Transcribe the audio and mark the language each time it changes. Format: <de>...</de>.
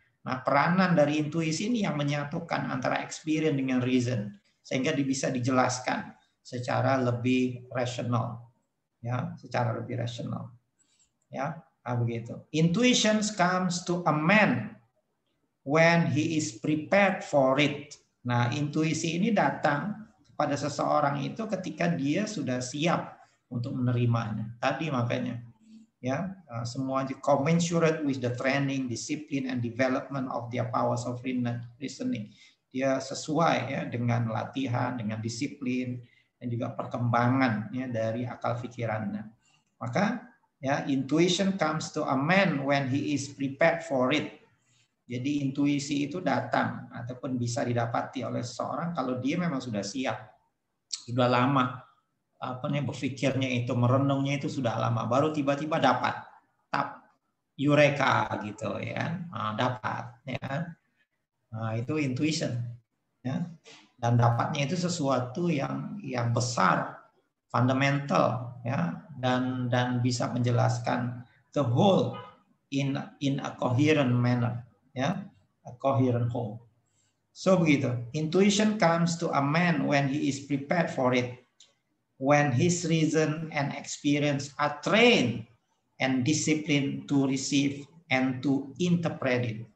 <id>Nah, peranan dari intuisi ini yang menyatukan antara experience dengan reason sehingga bisa dijelaskan secara lebih rasional, ya, secara lebih rasional, ya. Nah, begitu.</id> <en>Intuitions comes to a man when he is prepared for it.</en> <id>Nah, intuisi ini datang pada seseorang itu ketika dia sudah siap untuk menerimanya. Tadi makanya, ya, semua</id> <en>commensurate with the training, discipline, and development of their powers of reasoning.</en> <id>Dia sesuai, ya, dengan latihan, dengan disiplin, dan juga perkembangan, ya, dari akal pikirannya. Maka, ya,</id> <en>intuition comes to a man when he is prepared for it.</en> <id>Jadi intuisi itu datang ataupun bisa didapati oleh seseorang kalau dia memang sudah siap. Sudah lama berpikirnya itu, merenungnya itu sudah lama, baru tiba-tiba dapat. Tap, eureka gitu, ya. Nah, dapat, ya. Nah, itu intuition, ya. Dan dapatnya itu sesuatu yang besar, fundamental, ya, dan bisa menjelaskan</id> <en>the whole in a coherent manner. Ya, a coherent whole. So begitu. Intuition comes to a man when he is prepared for it, when his reason and experience are trained and disciplined to receive and to interpret it.</en>